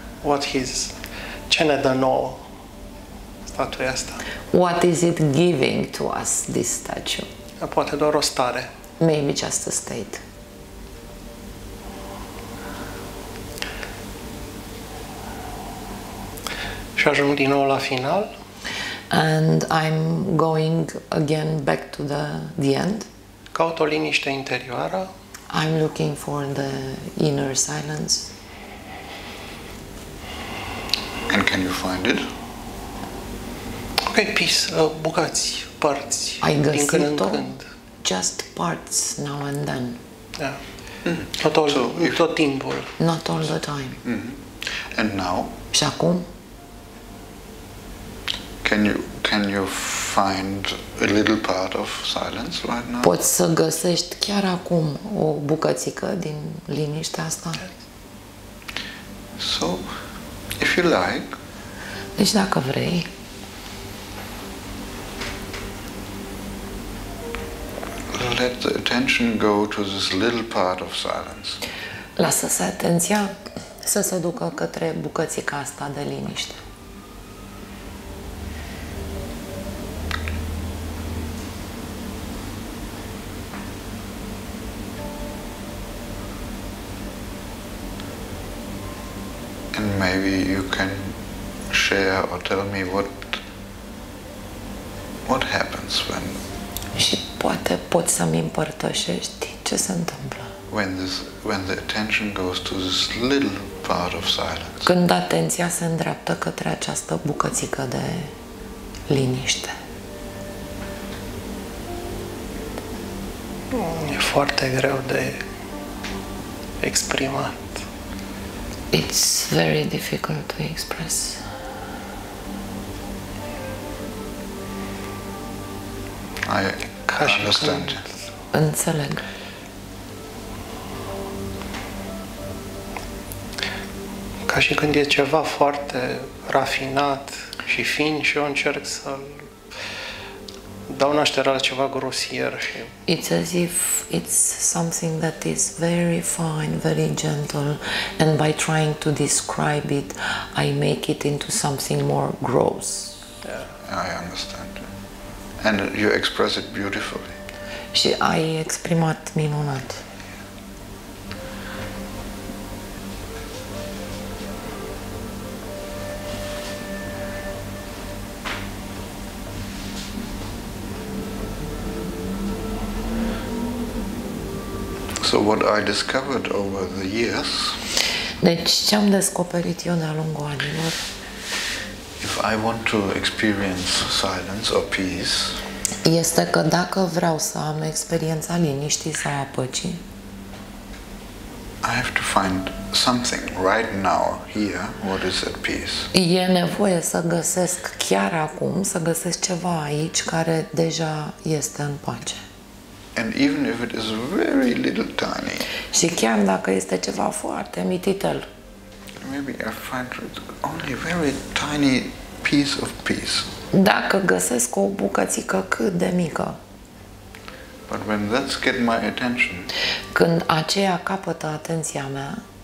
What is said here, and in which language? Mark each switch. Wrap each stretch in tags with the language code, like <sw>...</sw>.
<en>What his,</en> <ro>ce ne dă nouă statuia asta?</ro> <en>What is it giving to us, this statue?</en> <ro>Poate doar o stare.</ro> <en>Maybe just a state.</en> <ro>Și ajung din nou la final.</ro> <en>And I'm going again back to the end.</en> <ro>Caut o liniște interioară.</ro> <en>I'm looking for the inner silence. And can you find it? Ok, piece,</en> <ro>bucăți, părți,</ro> <en>I</en> <ro>din când în când.</ro> <en>Just parts now and then.</en> <ro>Yeah. Mm. Tot timpul.</ro> <en>Not all the time. Mm-hmm. And now?</en> <ro>Și acum?</ro> <en>Can you find a little part of silence right now?</en> <ro>Poți să găsești chiar acum o bucățică din liniștea asta?</ro> <en>So, if you like.</en> <ro>Deci dacă vrei.</ro> <en>Let the attention go to this little part of silence.</en> <ro>Lasă să atenția să se ducă către bucățica asta de liniște.</ro> <en>Maybe you can share or tell me what happens when.</en> <ro>Și poate poți să-mi împărtășești ce se întâmplă.</ro> <en>When the attention goes to this little part of silence.</en> <ro>Când atenția se îndreaptă către această bucățică de liniște. E foarte greu de exprimat.</ro> <en>It's very difficult to express. I understand.</en> <ro>Înțeleg. Ca și când e ceva foarte rafinat și fin și eu încerc să-l dau naștere la ceva grosier și...</ro> <en>It's as if it's something that is very fine, very gentle, and by trying to describe it, I make it into something more gross. Yeah, I understand. And you express it beautifully.</en> <ro>Și ai exprimat minunat.</ro> <en>So what I discovered over the years.</en> <ro>Deci ce am descoperit eu de-a lungul anilor?</ro> <en>If I want to experience silence or peace.</en> <ro>Este că dacă vreau să am experiența liniștii sau a păcii.</ro> <en>I have to find something right now here what is at peace.</en> <ro>E nevoie să găsesc chiar acum, să găsesc ceva aici care deja este în pace.</ro> <en>And even if it is very little tiny.</en> <ro>Și chiar dacă este ceva foarte mititel.</ro> <en>Maybe I find it only a very tiny piece of peace.</en> <ro>Dacă găsesc o bucățică cât de mică.</ro> <en>But when that's get my attention.</en> <ro>Când aceea capătă atenția mea.</ro>